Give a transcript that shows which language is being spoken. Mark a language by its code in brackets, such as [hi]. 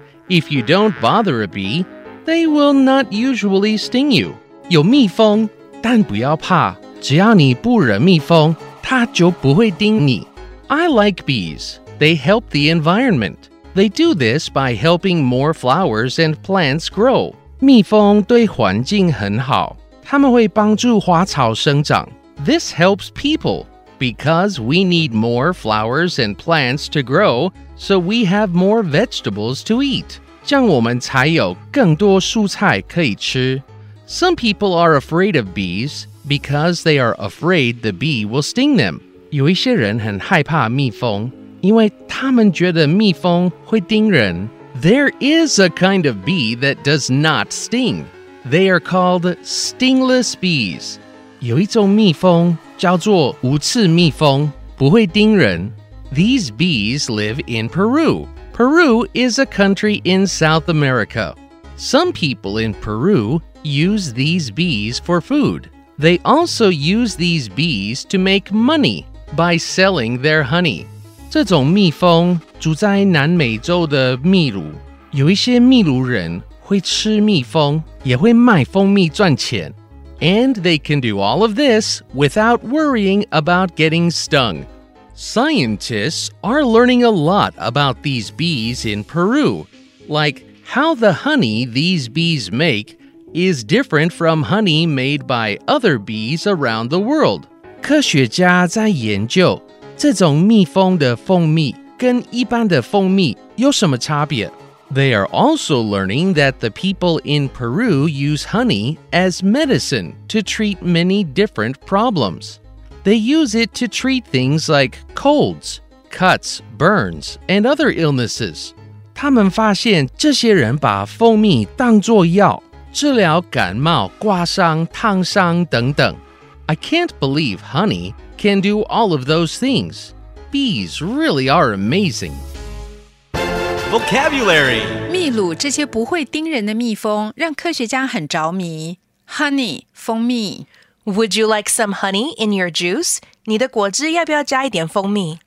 [en] If you don't bother a bee, they will not usually sting you. [zh] 有蜜蜂，但不要怕。只要你不惹蜜蜂，它就不会叮你。 [en] I like bees. They help the environment. They do this by helping more flowers and plants grow. [zh] 蜜蜂对环境很好，它们会帮助花草生长。 [en] This helps people, because we need more flowers and plants to grow, so we have more vegetables to eat. [zh] 这样我们才有更多蔬菜可以吃。 [en] Some people are afraid of bees, because they are afraid the bee will sting them. [zh] 有一些人很害怕蜜蜂，因为他们觉得蜜蜂会叮人。 [en] There is a kind of bee that does not sting. They are called stingless bees. [zh] 有一种蜜蜂叫做无刺蜜蜂，不会叮人。 [en] These bees live in Peru. Peru is a country in South America. Some people in Peru use these bees for food. They also use these bees to make money by selling their honey. [zh] 这种蜜蜂住在南美洲的秘鲁，有一些秘鲁人会吃蜜蜂，也会卖蜂蜜赚钱。 [en] And they can do all of this without worrying about getting stung. Scientists are learning a lot about these bees in Peru, like how the honey these bees make is different from honey made by other bees around the world. [zh] 科学家在研究这种蜜蜂的蜂蜜跟一般的蜂蜜有什么差别？ [en] They are also learning that the people in Peru use honey as medicine to treat many different problems. They use it to treat things like colds, cuts, burns, and other illnesses. [zh] 他们发现这些人把蜂蜜当作药，治疗感冒、刮伤、烫伤等等。 [en] I can't believe honey can do all of those things. Bees really are amazing. Vocabulary. [zh] 秘鲁这些不会叮人的蜜蜂让科学家很着迷。 [en] Honey, 蜂蜜。 Would you like some honey in your juice? [zh] 你的果汁要不要加一点蜂蜜?